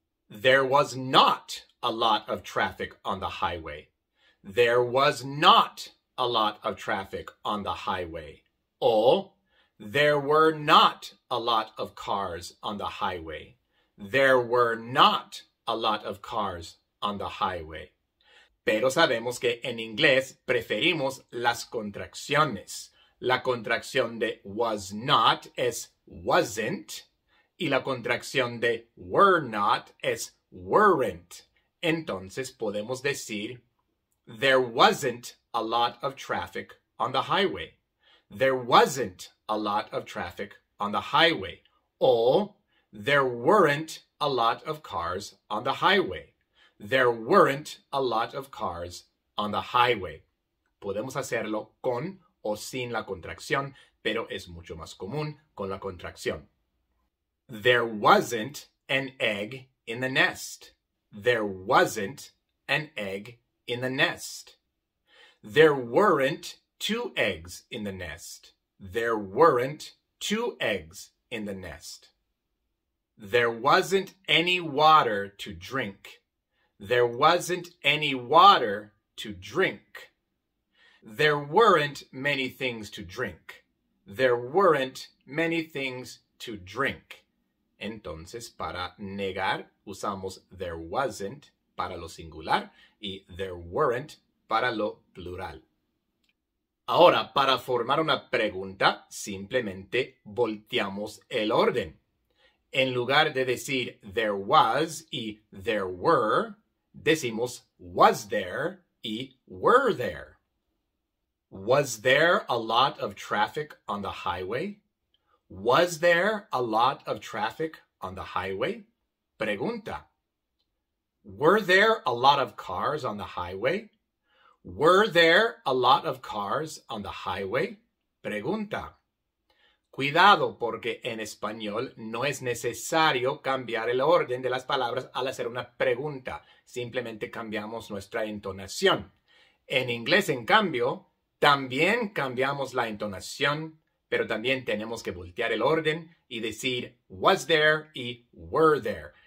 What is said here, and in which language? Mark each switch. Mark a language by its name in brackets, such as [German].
[English] There was not a lot of traffic on the highway. There was not a lot of traffic on the highway. O there were not a lot of cars on the highway. There were not a lot of cars on the highway. [Spanish] Pero sabemos que en inglés preferimos las contracciones. La contracción de [English] was not [Spanish] es wasn't y la contracción de [English] were not [Spanish] es weren't. Entonces podemos decir, [English] there wasn't a lot of traffic on the highway. There wasn't a lot of traffic on the highway. O there weren't a lot of cars on the highway. There weren't a lot of cars on the highway. [Spanish] Podemos hacerlo con o sin la contracción, pero es mucho más común con la contracción. [English] There wasn't an egg in the nest. There wasn't an egg in the nest. There weren't two eggs in the nest. There weren't two eggs in the nest. There wasn't any water to drink. There wasn't any water to drink. There weren't many things to drink. There weren't many things to drink. [Spanish] Entonces, para negar, usamos [English] there wasn't [Spanish] para lo singular y [English] there weren't [Spanish] para lo plural. Ahora, para formar una pregunta, simplemente volteamos el orden. En lugar de decir [English] there was [Spanish] y [English] there were, [Spanish] decimos [English] was there [Spanish] y [English] were there. Was there a lot of traffic on the highway? Was there a lot of traffic on the highway? [Spanish] Pregunta. [English] Were there a lot of cars on the highway? Were there a lot of cars on the highway? [Spanish] Pregunta. Cuidado, porque en español no es necesario cambiar el orden de las palabras al hacer una pregunta. Simplemente cambiamos nuestra entonación. En inglés, en cambio, también cambiamos la entonación, pero también tenemos que voltear el orden y decir [English] was there [Spanish] y [English] were there.